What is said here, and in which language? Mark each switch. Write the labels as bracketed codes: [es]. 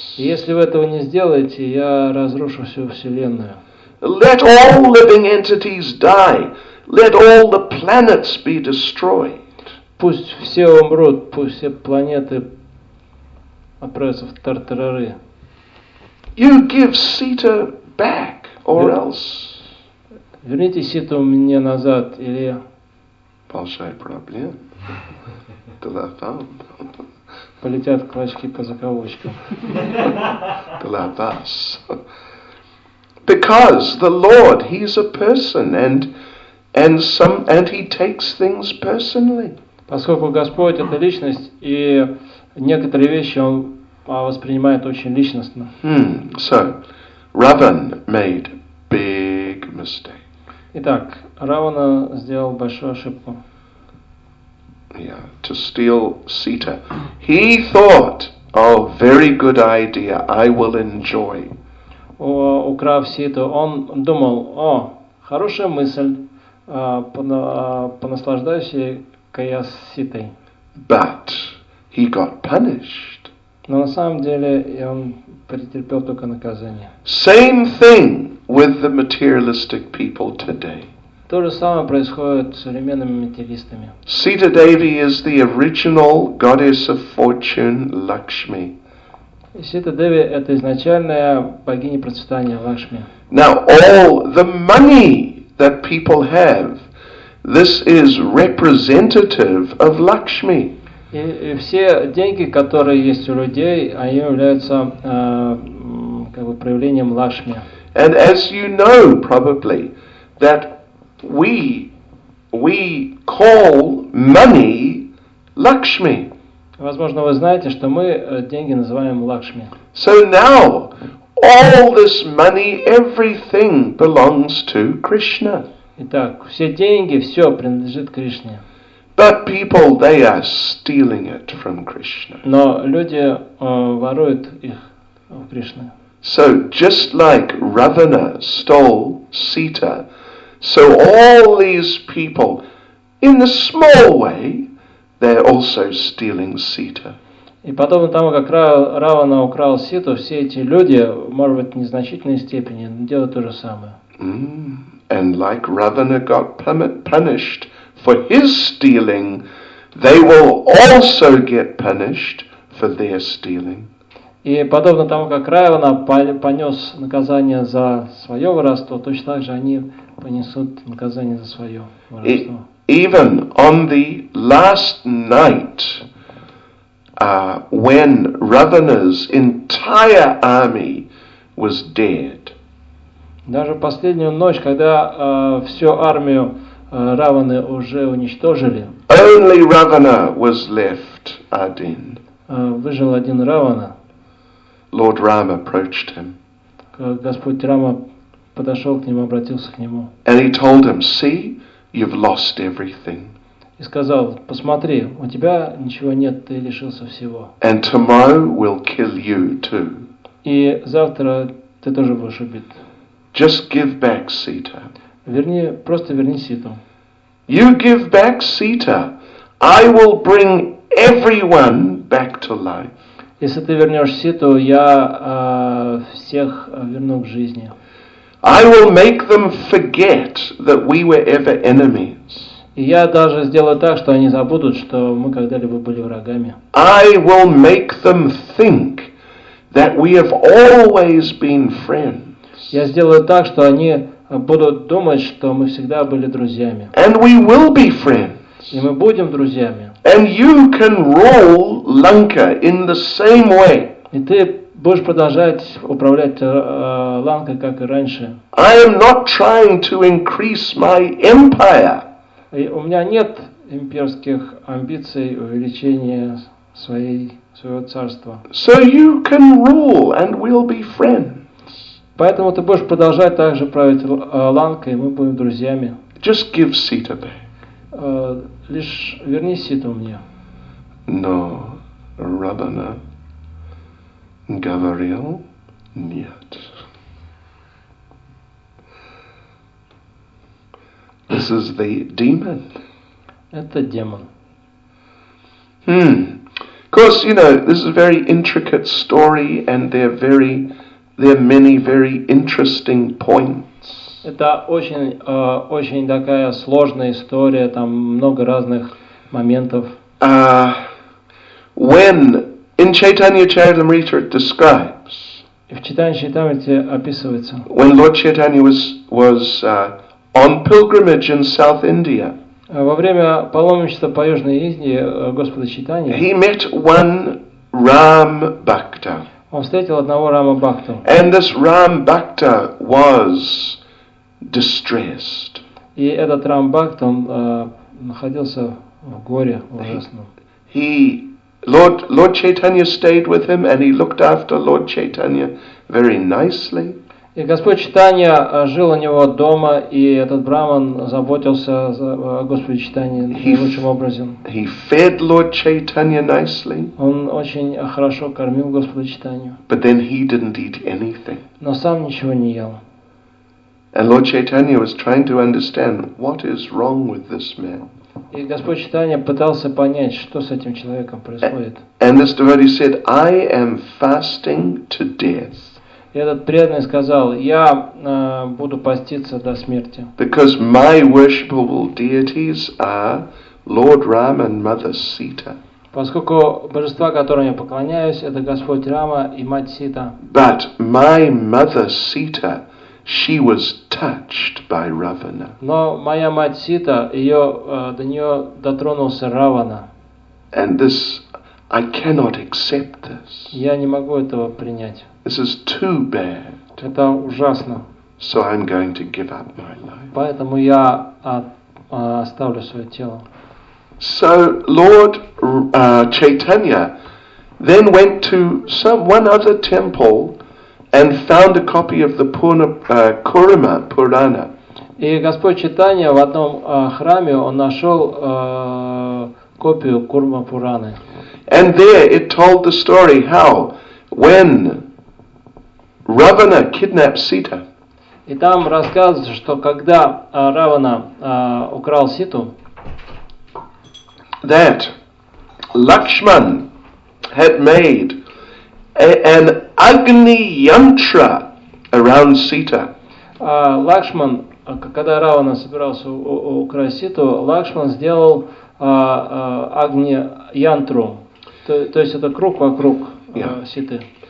[ru] Если вы этого не сделаете, я разрушу всю вселенную. [en] Let all living entities die. Let all the planets be destroyed. [ru] Пусть все умрут, пусть все планеты отправятся в тартарары. [en] You give Sita back, or else. [ru] Верните Ситу мне назад, или. Большая проблема. Голова. Полетят клочки по заковочкам. Голова. [en] Because the Lord, He is a person, and He takes things personally. [ru] Поскольку Господь это личность, и некоторые вещи Он воспринимает очень личностно. [en] So, Ravan made big mistake. [ru] Итак, Равана сделал большую ошибку. [en] Yeah, to steal Sita. He thought, oh, very good idea, I will enjoy. [ru] Украв Ситу, он думал, о, хорошая мысль, понаслаждайся я с Ситой. [en] But he got punished. [ru] Но на самом деле он претерпел только наказание. [en] Same thing with the materialistic people today. [ru] То же самое происходит с современными материалистами. [en] Sita Devi is the original goddess of fortune, Lakshmi. [ru] Sita Devi это изначальная богиня процветания Лакшми. [en] Now all the money that people have, this is representative of Lakshmi. [ru] И все деньги, которые есть у людей, они являются как бы проявлением Лакшми. [en] And as you know, probably, that we call money Lakshmi. [ru] Возможно, вы знаете, что мы деньги называем Лакшми. [en] So now, all this money, everything belongs to Krishna. [ru] Итак, все деньги, все принадлежит Кришне. [en] But people, they are stealing it from Krishna. [ru] Но люди воруют их у Кришны. [en] So just like Ravana stole Sita, so all these people, in a small way, they're also stealing Sita. [ru] И подобно тому, как Равана украл Ситу, все эти люди, может быть, в незначительной степени, делают то же самое. [en] And like Ravana got punished for his stealing, they will also get punished for their stealing. [ru] И подобно тому, как Равана понес наказание за свое воровство, точно так же они понесут наказание за свое воровство. [en] Even on the last night, when Ravana's entire army was dead. [ru] Даже последнюю ночь, когда всю армию Раваны уже уничтожили. [en] Only Ravana was left, [ru] один. Выжил один Равана. [en] Lord Rama approached him. [ru] Господь Рама подошел к нему, обратился к нему. [en] And he told him, "See, you've lost everything." [ru] И сказал, посмотри, у тебя ничего нет, ты лишился всего. [en] And tomorrow we'll kill you too. [ru] И завтра ты тоже будешь убит. [en] Just give back Sita. [ru] Верни, просто верни Ситу. [en] You give back Sita, I will bring everyone back to life. [ru] Если ты вернешь Ситу, я всех верну к жизни. [en] I will make them forget that we were ever enemies. [ru] И я даже сделаю так, что они забудут, что мы когда-либо были врагами. [en] I will make them think that we have always been friends. [ru] Я сделаю так, что они будут думать, что мы всегда были друзьями. [en] And we will be friends. [ru] И мы будем друзьями. [en] And you can rule Lanka in the same way. [ru] И ты будешь продолжать управлять Ланкой, как и раньше. [en] I am not trying to increase my empire. [ru] У меня нет имперских амбиций увеличения своего царства. [en] So you can rule and we'll be friends. [ru] Поэтому ты будешь продолжать также править Ланкой, и мы будем друзьями. [en] Just give Sita back. [ru] Лишь верни Ситу мне. Но Рабана говорил нет. [en] This is the demon. [ru] Это демон. [en] Of course, you know, this is a very intricate story, and there are many very interesting points. [ru] Это очень, очень такая сложная история, там много разных моментов. [en] When in Chaitanya Charitamrita it describes. [ru] В Читании Чайтамрите описывается. [en] When Lord Chaitanya was on pilgrimage in South India. [ru] Во время паломничества по Южной Индии Господа Чайтаньи. [en] He met one Ram Bhakta. [ru] Он встретил одного Рама Бхакту. [en] And this Ram Bhakta was distressed. [ru] И этот Рам Бхакта, он находился в горе ужасном. [en] Lord Chaitanya stayed with him, and he looked after Lord Chaitanya very nicely. [ru] И Господь Читания жил у него дома, и этот браман заботился о Господе Читании наилучшим образом. [en] He fed Lord Chaitanya nicely. [ru] Он очень хорошо кормил Господа Читанию. [en] But then he didn't eat anything. [ru] Но сам ничего не ел. [en] And Lord Chaitanya was trying to understand what is wrong with this man. [ru] И Господь Читания пытался понять, что с этим человеком происходит. [en] And this devotee said, I am fasting to death. [ru] И этот преданный сказал, я буду поститься до смерти. [en] Because my worshipable deities are Lord Rama and Mother Sita. [ru] Поскольку божества, которым я поклоняюсь, это Господь Рама и Мать Сита. [en] But my Mother Sita, she was touched by Ravana. [ru] Но моя Мать Сита, ее, до нее дотронулся Равана. [en] And this, I cannot accept this. [ru] Я не могу этого принять. [en] This is too bad. [ru] Это ужасно. [en] So I'm going to give up my life. [ru] Поэтому я оставлю свое тело. [en] So Lord Chaitanya then went to one other temple and found a copy of the Purna Kurama Purana. [ru] И Господь Читания в одном храме он нашел копию Курма Пураны. [en] And there it told the story how when Равана kidnapped Сита. [ru] И там рассказывается, что когда Равана украл Ситу, [en] that Lakshman had made an Agni Yantra around Sita. [ru] Лакшман, когда Равана собирался украсть Ситу, Лакшман сделал Агни Янтру. То есть это круг вокруг Ситы.